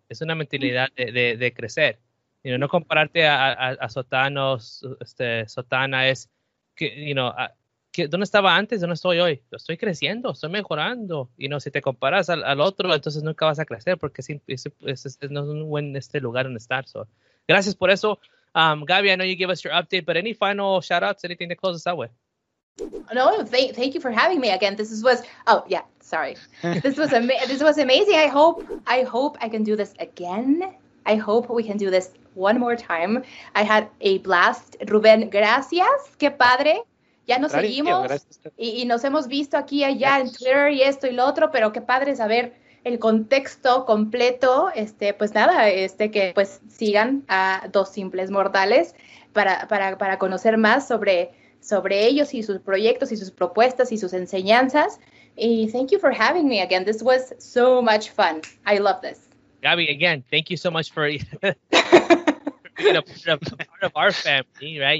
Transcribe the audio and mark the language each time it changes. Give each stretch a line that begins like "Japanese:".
Spanish: Es una mentalidad de crecer. You know, no compararte a sotanos, sotana es, que, you know, ¿dónde estaba antes? ¿Dónde estoy hoy? Estoy creciendo, estoy mejorando. Y no, si te comparas al otro, entonces nunca vas a crecer, porque es no es un buen lugar donde estar. So, gracias por eso.
English: Gaby, I know you gave us your update, but any final shout-outs, anything to close us out with? No, thank you for having me again. This was amazing. I hope I can do this again. I hope we can do this one more time. I had a blast.
Spanish: Rubén, gracias. Qué padre. Ya nos seguimos. Y nos hemos visto aquí y allá en Twitter y esto y lo otro, pero qué padre saber el contexto completo. Pues sigan a Dos Simples Mortales para conocer más sobre ellos y sus proyectos y sus propuestas y sus enseñanzas.
English: Y thank you for having me again. This was so much fun. I love this. Gaby, again, thank you so much for part of our family, right?